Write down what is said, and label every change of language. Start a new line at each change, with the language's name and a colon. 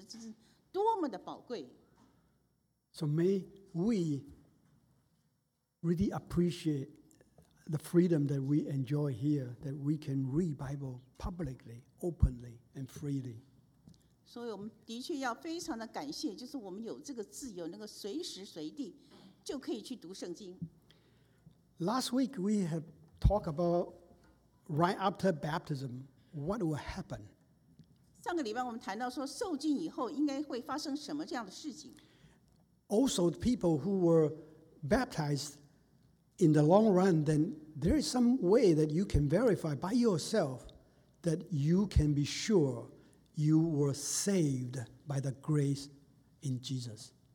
Chinese: 但是当他们能够有这个机会拿到一本圣经，他们就觉得这是多么的宝贵。
English: So may we really appreciate the freedom that we enjoy here, that we can read Bible publicly, openly, and freely.
Chinese: 所以我们的确要非常的感谢，就是我们有这个自由，能够随时随地就可以去读圣经。
English: Last week we have talked about right after baptism. What will happen?
Chinese: 上个礼拜我们谈到说，受浸以后应该会发生什么这样的事情。
English: Also, the people who were baptized in the long run, then there is some way that you can verify by yourself that you can be sure you were saved by the grace in Jesus.